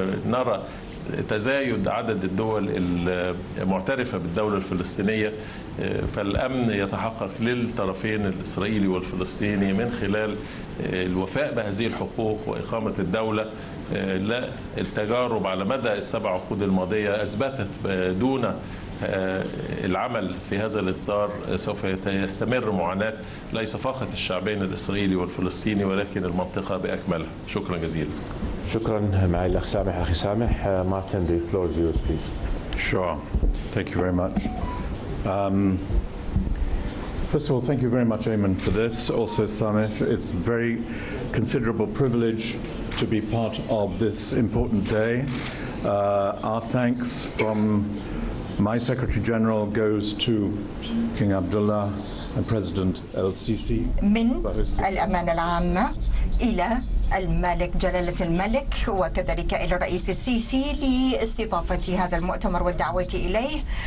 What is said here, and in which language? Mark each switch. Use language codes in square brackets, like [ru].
[ar] نرى تزايد عدد الدول المعترفة بالدولة الفلسطينية، فالأمن يتحقق للطرفين الإسرائيلي والفلسطيني من خلال الوفاء بهذه الحقوق وإقامة الدولة. لا، التجارب على مدى السبع عقود الماضية أثبتت دون العمل في هذا الإطار سوف يستمر معاناة ليس فقط الشعبين الإسرائيلي والفلسطيني ولكن المنطقة بأكملها. شكرا جزيلا. شكرا. معي الأخ سامح. أخي سامح، مارتن، [en] the floor is yours please. Sure. Thank you very much. First of all, thank you very much, Eamon, for this. Also, Samir, it's a very considerable privilege to be part of this important day. Our thanks from my Secretary General goes to King Abdullah and President El-Sisi. [ar] من الأمانة العامة إلى الملك جلالة الملك وكذلك إلى الرئيس السيسي لاستضافة هذا المؤتمر والدعوة إليه